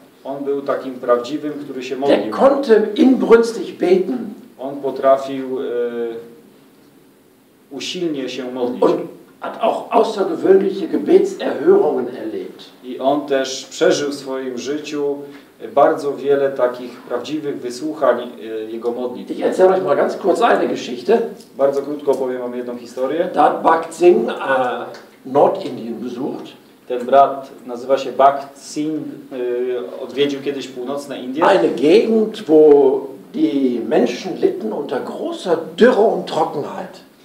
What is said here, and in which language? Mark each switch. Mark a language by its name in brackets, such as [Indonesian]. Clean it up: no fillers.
[Polish] On był takim prawdziwym, który się modlił. [German] Der konnte inbrünstig beten. [Polish] On potrafił usilnie się modlić. [German] Und hat auch außergewöhnliche Gebetserhörungen erlebt. [Polish] I on też przeżył w swoim życiu bardzo wiele takich prawdziwych wysłuchań jego modlitw. [German] Ich erzähle euch mal ganz kurz eine Geschichte. [Polish] Bardzo krótko opowiem wam jedną historię. [German] Da hat Bakt Singh Nordindien besucht. [Polish] Ten brat nazywa się Bakt Singh, odwiedził kiedyś północne Indie. [German] Eine Gegend, wo die Menschen litten unter großer Dürre und Trockenheit.